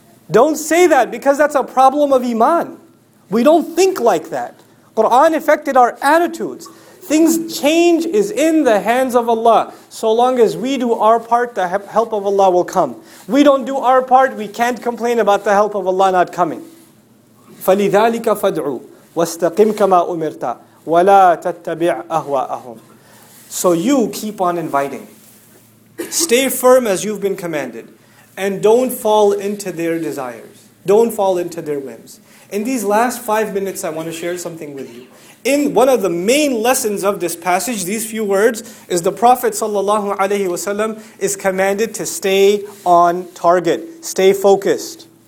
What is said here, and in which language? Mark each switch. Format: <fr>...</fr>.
<en>Don't say that because that's a problem of iman. We don't think like that. Quran affected our attitudes. Things change is in the hands of Allah. So long as we do our part, the help of Allah will come. We don't do our part, we can't complain about the help of Allah not coming.</en> <ar>فَلِذَٰلِكَ فَادْعُوا وَاسْتَقِمْ كَمَا أُمِرْتَ وَلَا تَتَّبِعْ أَهْوَاءَهُمْ</ar> <en>So you keep on inviting. Stay firm as you've been commanded. And don't fall into their desires. Don't fall into their whims. In these last 5 minutes, I want to share something with you. In one of the main lessons of this passage, these few words, is the Prophet ﷺ is commanded to stay on target, stay focused.</en>